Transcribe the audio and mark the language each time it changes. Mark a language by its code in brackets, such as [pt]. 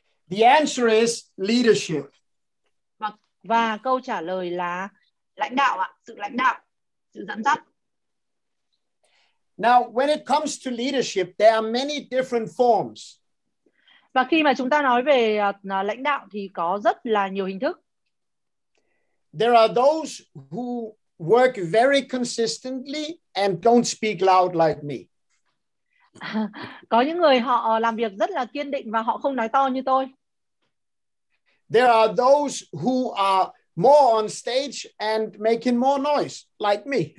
[en] The answer is leadership. [vi] Và câu trả lời là lãnh đạo ạ, sự lãnh đạo, sự dẫn dắt. [en] Now, when it comes to leadership, there are many different forms. [vi] Và khi mà chúng ta nói về lãnh đạo thì có rất là nhiều hình thức. [en] There are those who work very consistently and don't speak loud like me. [vi] Có những người họ làm việc rất là kiên định và họ không nói to như tôi. [en] There are those who are more on stage and making more noise like me.